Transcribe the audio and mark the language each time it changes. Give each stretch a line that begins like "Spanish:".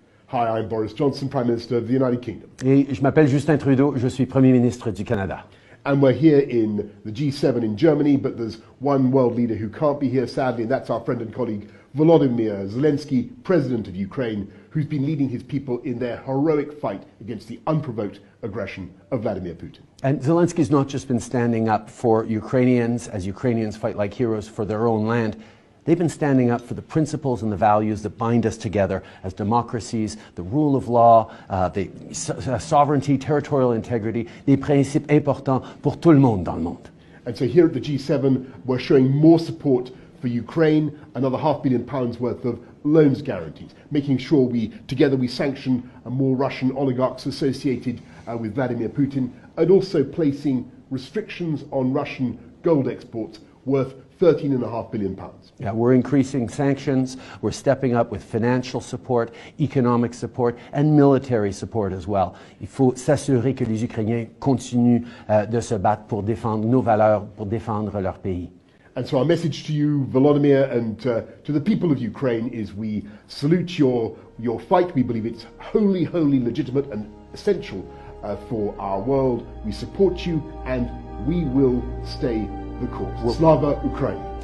English: Hi, I'm Boris Johnson, Prime Minister of the United Kingdom.
French: Et je m'appelle Justin Trudeau, je suis Premier ministre du Canada.
English: And we're here in the G7 in Germany, but there's one world leader who can't be here, sadly, and that's our friend and colleague Volodymyr Zelensky, President of Ukraine, who's been leading his people in their heroic fight against the unprovoked aggression of Vladimir Putin. And Zelensky's not just been standing up for Ukrainians, as Ukrainians fight like heroes for their own land. They've been standing up for the principles and the values that bind us together as democracies, the rule of law, the sovereignty, territorial integrity,
French: des principes importants pour tout le monde
English: dans le monde. And so here at the G7, we're showing more support for Ukraine, another £500 million worth of loans guarantees, making sure we sanction more Russian oligarchs associated with Vladimir Putin, and also placing restrictions on Russian gold exports worth £13.5 billion. Yeah, we're increasing sanctions, we're stepping up with financial support, economic support, and military support as well.
French: Il faut s'assurer que les Ukrainiens continuent de se battre pour défendre nos valeurs, pour défendre leur pays.
English: And so our message to you, Volodymyr, and to the people of Ukraine is we salute your fight. We believe it's wholly, wholly legitimate and essential for our world. We support you and we will stay the course.
Ukrainian: Slava Ukraine.